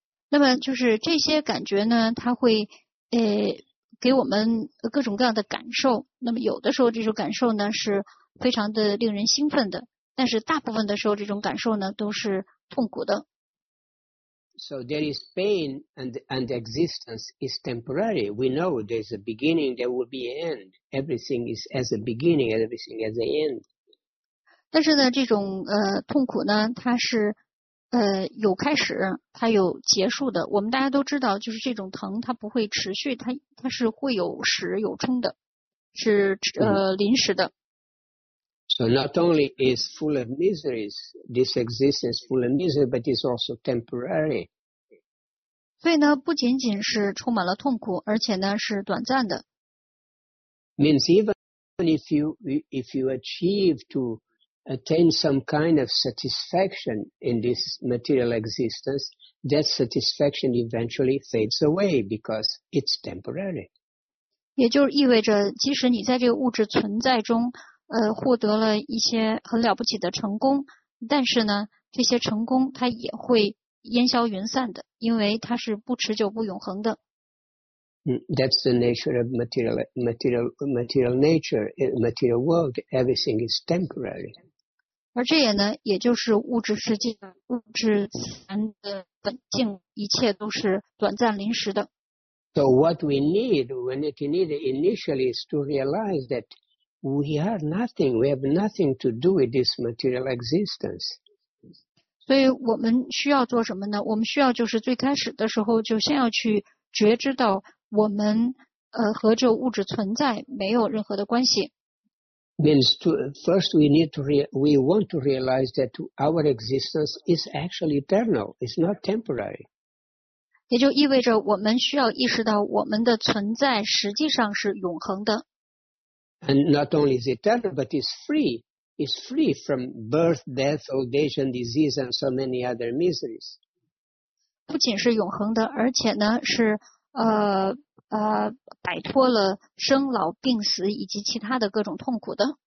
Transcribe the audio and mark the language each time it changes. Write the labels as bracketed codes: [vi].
[zh] 那么就是这些感觉呢，它会给我们各种各样的感受。那么有的时候这种感受呢是非常的令人兴奋的，但是大部分的时候这种感受呢都是痛苦的。 [en] So there is pain and existence is temporary. We know there's a beginning, there will be an end. Everything is as a beginning, everything as an end. [zh] 但是呢，这种痛苦呢，它是有开始，它有结束的。我们大家都知道，就是这种疼，它不会持续，它是会有始有终的，是临时的。 [en] So not only is full of miseries, this existence full of misery, but it's also temporary. [zh] 所以呢，不仅仅是充满了痛苦，而且呢是短暂的。 [en] Means even if you achieve to attain some kind of satisfaction in this material existence, that satisfaction eventually fades away because it's temporary. [zh] 也就意味着，即使你在这个物质存在中获得了一些很了不起的成功，但是呢这些成功它也会烟消云散的，因为它是不持久不永恒的。 [en] That's the nature of material nature, material world, everything is temporary. [zh] 而这也呢也就是物质世界的物质残的本性，一切都是短暂临时的。 [en] So what we need, when it needed initially is to realize thatWe are nothing. We have nothing to do with this material existence. [zh] 所以我们需要做什么呢？我们需要就是最开始的时候就先要去觉知到我们和这物质存在没有任何的关系。 [en] Means to first we want to realize that our existence is actually eternal. It's not temporary. [zh] 也就意味着我们需要意识到我们的存在实际上是永恒的。 [en] And not only is eternal, but is free from birth, death, old age, and disease, and so many other miseries. [zh] 不仅是永恒的，而且呢是摆脱了生老病死以及其他的各种痛苦的。